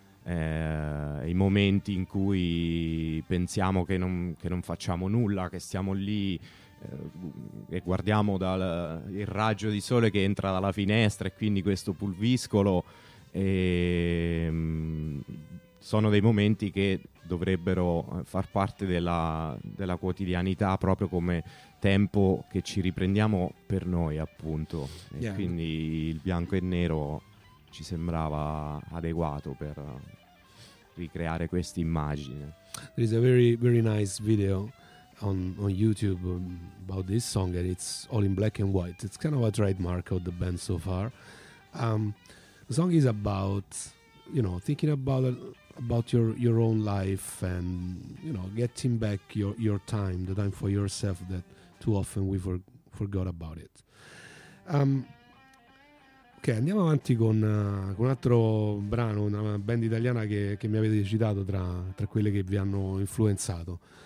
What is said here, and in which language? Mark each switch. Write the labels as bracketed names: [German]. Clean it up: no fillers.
[Italian] I momenti in cui pensiamo che non facciamo nulla, che stiamo lì e guardiamo il raggio di sole che entra dalla finestra, e quindi questo pulviscolo, sono dei momenti che dovrebbero far parte della quotidianità, proprio come tempo che ci riprendiamo per noi, appunto. Quindi il bianco e nero ci sembrava adeguato per ricreare questa immagine. [English] There is a very very nice video on YouTube about this song, and it's all in black and white. It's kind of a trademark of the band so far. The song is about, you know, thinking about your own life, and, you know, getting back your time, the time for yourself that too often we forgot about it. [Italian] Ok, andiamo avanti con un altro brano, una band italiana che mi avete citato tra quelle che vi hanno influenzato.